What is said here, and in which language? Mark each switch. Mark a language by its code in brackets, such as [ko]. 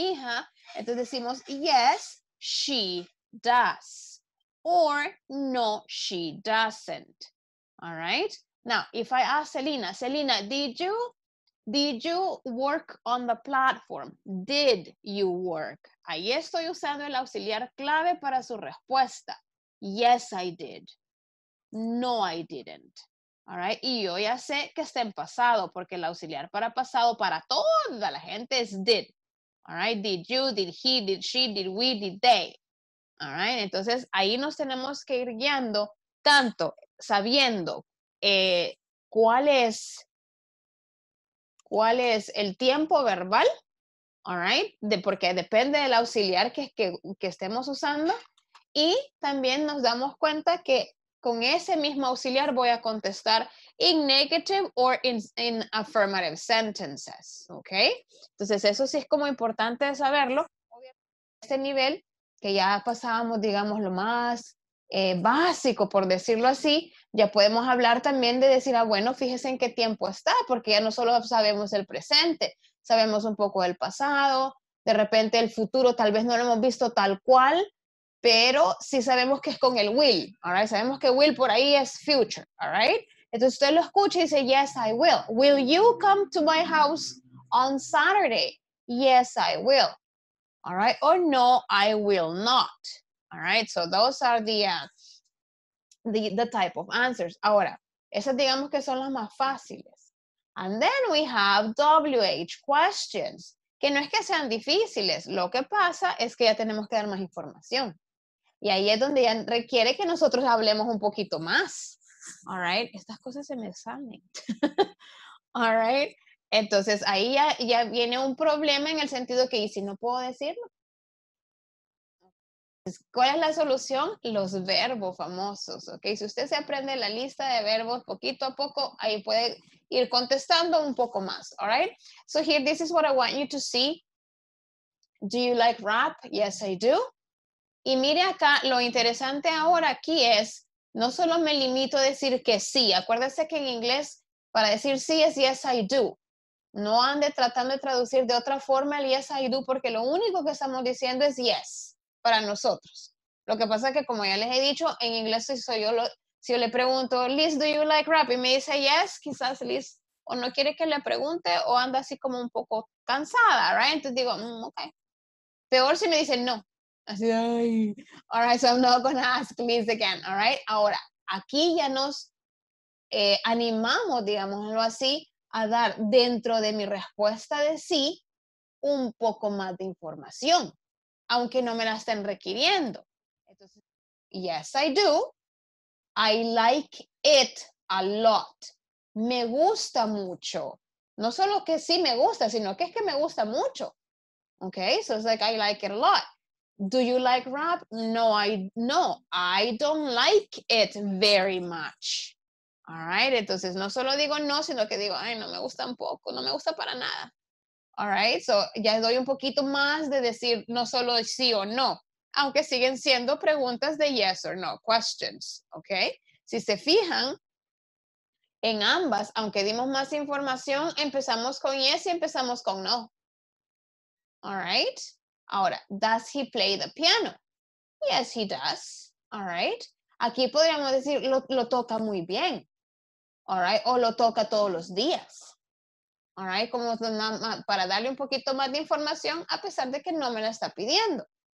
[es] hija, entonces decimos, [en] yes, she does. Or, no, she doesn't. All right? Now, if I ask Selena, Selena, did you work on the platform? Did you work? [es] Ahí estoy usando el auxiliar clave para su respuesta. [en] Yes, I did. No, I didn't. All right? [es] Y yo ya sé que está en pasado, porque el auxiliar para pasado para toda la gente es did. [en] All right? Did you, did he, did she, did we, did they. All right? [es] Entonces, ahí nos tenemos que ir guiando tanto sabiendo cuál es el tiempo verbal, [en] all right, [es] porque depende del auxiliar que estemos usando, y también nos damos cuenta que con ese mismo auxiliar voy a contestar [en] in negative or in affirmative sentences, [es] okay? Entonces eso sí es como importante saberlo. Este nivel que ya pasábamos, digamos, lo más básico, por decirlo así, ya podemos hablar también de decir, ah, bueno, fíjese en qué tiempo está, porque ya no solo sabemos el presente, sabemos un poco del pasado, de repente el futuro tal vez no lo hemos visto tal cual, pero sí sabemos que es con el will, [en] all right? [es] Sabemos que will por ahí es future, [en] all right? [es] Entonces usted lo escucha y dice, [en] yes, I will. Will you come to my house on Saturday? Yes, I will. All right? Or no, I will not. All right, so those are the type of answers. [es] Ahora, esas digamos que son las más fáciles. [en] And then we have WH questions, [es] que no es que sean difíciles. Lo que pasa es que ya tenemos que dar más información. Y ahí es donde ya requiere que nosotros hablemos un poquito más. [en] All right, [es] estas cosas se me salen. [en] All right, [es] entonces ahí ya viene un problema en el sentido que, ¿y si no puedo decirlo? ¿Cuál es la solución? Los verbos famosos, ¿ok? Si usted se aprende la lista de verbos poquito a poco, ahí puede ir contestando un poco más, [en] ¿all right? So here, this is what I want you to see. Do you like rap? Yes, I do. [es] Y mire acá, lo interesante ahora aquí es, no solo me limito a decir que sí, acuérdese que en inglés para decir sí es [en] yes, I do. [es] No ande tratando de traducir de otra forma el [en] yes, I do, [es] porque lo único que estamos diciendo es yes. Para nosotros. Lo que pasa es que, como ya les he dicho, en inglés si yo le pregunto, Liz, [en] do you like rap? [es] Y me dice yes, quizás Liz o no quiere que le pregunte o anda así como un poco cansada, [en] right? [es] Entonces digo, ok. Peor si me dice no. Así, ay. [en] All right, so I'm not gonna ask Liz again, all right? [es] Ahora, aquí ya nos animamos, digámoslo así, a dar dentro de mi respuesta de sí un poco más de información, aunque no me la estén requiriendo. [en] Entonces, yes, I do. I like it a lot. [es] Me gusta mucho. No solo que sí me gusta, sino que es que me gusta mucho. [en] Okay, so it's like, I like it a lot. Do you like rap? No, I don't like it very much. All right, [es] entonces no solo digo no, sino que digo, ay, no me gusta un poco, no me gusta para nada. [en] All right, so [es] ya doy un poquito más de decir no solo sí o no, aunque siguen siendo preguntas de [en] yes or no, questions, okay? [es] Si se fijan, en ambas, aunque dimos más información, empezamos con yes y empezamos con no. [en] All right, ahora, does he play the piano? Yes, he does. All right, [es] aquí podríamos decir lo toca muy bien. [en] All right, [es] o lo toca todos los días. All right, como para darle un poquito más de información, a pesar de que no me la está pidiendo.